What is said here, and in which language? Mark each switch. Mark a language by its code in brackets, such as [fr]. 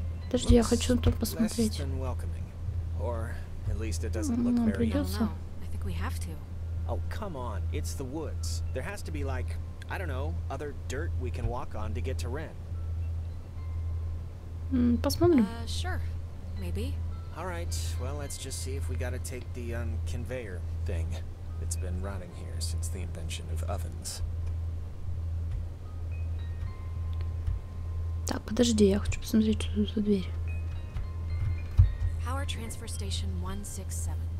[ru] Подожди, я хочу тут посмотреть. [en] Or at least it doesn't look very young. I think we have to. Oh, come on. It's the woods. There has to be like, I don't know, other dirt we can walk on to get to Ren. [ru] Посмотрим. [en] Sure. Maybe. All right. Well, let's just see if we gotta take the conveyor thing. It's been rotting here since the invention of ovens. [ru] Так, подожди, я хочу посмотреть, что тут за дверь. [en] Power transfer station 167.